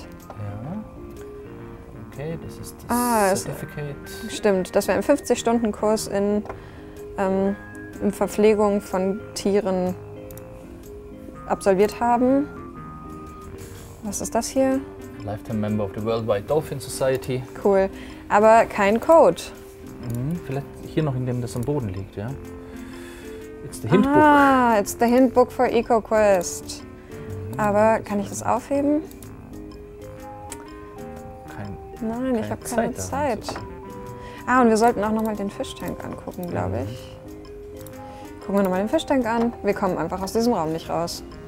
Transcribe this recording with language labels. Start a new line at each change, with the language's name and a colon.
German: Ja. Okay, das ist das Certificate. Stimmt, das wäre ein 50-Stunden-Kurs in Verpflegung von Tieren absolviert haben. Was ist das hier?
English: Lifetime Member of the Worldwide Dolphin Society.
German: Cool. Aber kein Code. Vielleicht hier noch, in dem das am Boden liegt, ja?
English: It's the Hintbook. Ah, it's the Hintbook for EcoQuest.
German: Aber kann ich das aufheben? Nein, ich habe keine Zeit. Ah, und wir sollten auch nochmal den Fischtank angucken, glaube ich. Gucken wir nochmal den Fischtank an. Wir kommen einfach aus diesem Raum nicht raus.